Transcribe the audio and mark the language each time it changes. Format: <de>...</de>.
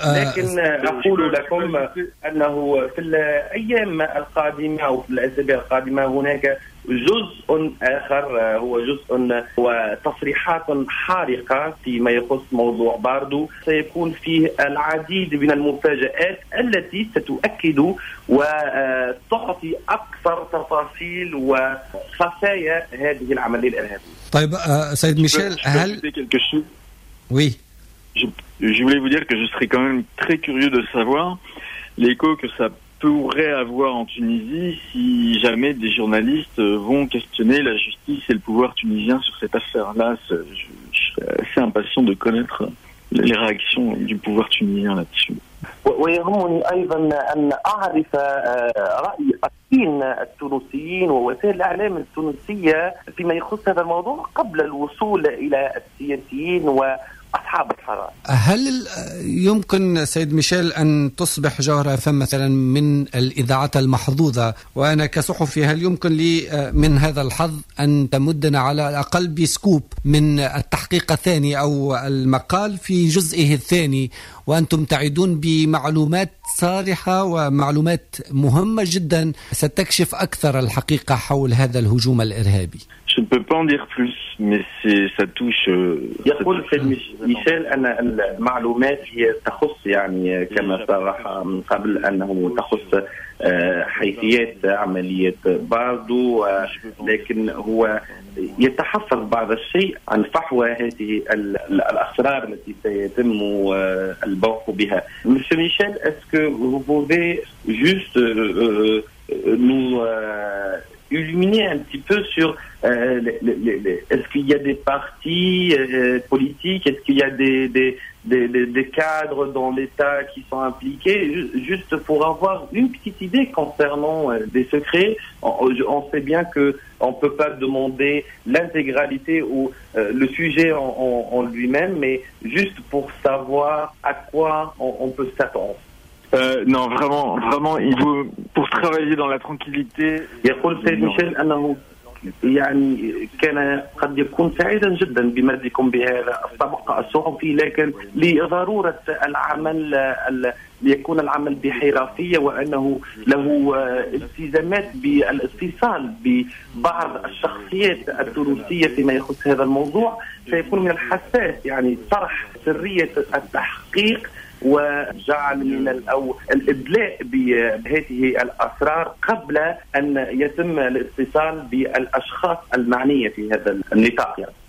<ar>لكن أقول لكم أنه في الأيام القادمة أو في الأسابيع القادمة هناك جزء آخر، هو جزء وتصريحات حارقة فيما يخص موضوع باردو، سيكون فيه العديد من المفاجآت التي ستؤكد وتعطي أكثر تفاصيل وخفايا هذه العملية الإرهابية. طيب سيد ميشيل، هل وي</ar> <fr>Je voulais vous dire que je serais quand même très curieux de savoir l'écho que ça pourrait avoir en Tunisie si jamais des journalistes vont questionner la justice et le pouvoir tunisien sur cette affaire-là. Je suis assez impatient de connaître les réactions du pouvoir tunisien là-dessus.</fr> <ar>ويهمني أيضا أن أعرف رأي الصحفيين التونسيين ووسائل الإعلام التونسية فيما يخص هذا الموضوع قبل الوصول إلى السياسيين وأصحاب القرار. هل يمكن سيد ميشيل أن تصبح جوهرة فم مثلا من الإذاعات المحظوظة، وأنا كصحفي هل يمكن لي من هذا الحظ أن تمدنا على الأقل بسكوب من التحقيق الثاني أو المقال في جزئه الثاني، وأنتم تعدون بمعلومات صارحة ومعلومات مهمة جدا ستكشف أكثر الحقيقة حول هذا الهجوم الإرهابي.</ar> <fr>Je ne peux pas en dire plus, mais c'est, ça touche.</fr> <ar>يقول سيد ميشيل أن المعلومات هي تخص يعني كما صرح من قبل أنه تخص حيثيات عملية باردو, لكن هو يتحفظ بعض الشيء عن فحوى هذه الأسرار التي سيتم البوح بها.</ar> <fr>Monsieur Michel, est-ce que vous pouvez juste nous illuminer un petit peu sur est-ce qu'il y a des partis politiques, est-ce qu'il y a des cadres dans l'État qui sont impliqués, juste pour avoir une petite idée concernant des secrets. On sait bien que on peut pas demander l'intégralité ou le sujet en lui-même, mais juste pour savoir à quoi on peut s'attendre. Non, vraiment, vraiment, il faut pour travailler dans la tranquillité.</fr> <ar>يقول سيد ميشيل أنه يعني كان قد يكون سعيدا جدا بمجدكم بهذا الطبق الصحفي, لكن لضرورة العمل ليكون العمل بحرافية وأنه له التزامات بالاتصال ببعض الشخصيات التونسية فيما يخص هذا الموضوع, سيكون من الحساس يعني طرح سرية التحقيق وجعل من الإدلاء بهذه الأسرار قبل أن يتم الاتصال بالأشخاص المعنية في هذا النطاق.</ar>